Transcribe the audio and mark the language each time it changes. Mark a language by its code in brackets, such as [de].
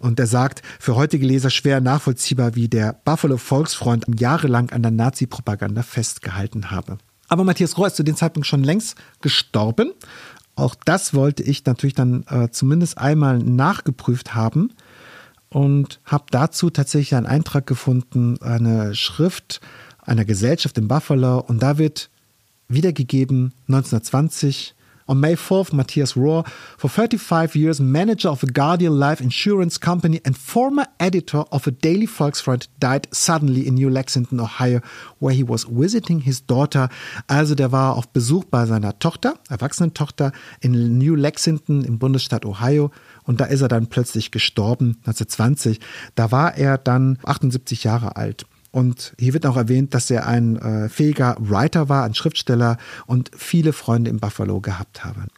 [de] Und er sagt, für heutige Leser schwer nachvollziehbar, wie der Buffalo Volksfront jahrelang an der Nazi-Propaganda festgehalten habe. Aber Matthias Rohr ist zu dem Zeitpunkt schon längst gestorben. Auch das wollte ich natürlich dann zumindest einmal nachgeprüft haben. Und habe dazu tatsächlich einen Eintrag gefunden, eine Schrift einer Gesellschaft in Buffalo. Und da wird wiedergegeben, [en] 1920, on May 4th, Matthias Rohr, for 35 years, manager of a Guardian Life Insurance Company and former editor of a Daily Volksfront, died suddenly in New Lexington, Ohio, where he was visiting his daughter. [de] Also der war auf Besuch bei seiner Tochter, erwachsenen Tochter, in New Lexington im Bundesstaat Ohio. Und da ist er dann plötzlich gestorben, 1920. Da war er dann 78 Jahre alt. Und hier wird auch erwähnt, dass er ein fähiger Writer war, ein Schriftsteller und viele Freunde in Buffalo gehabt habe.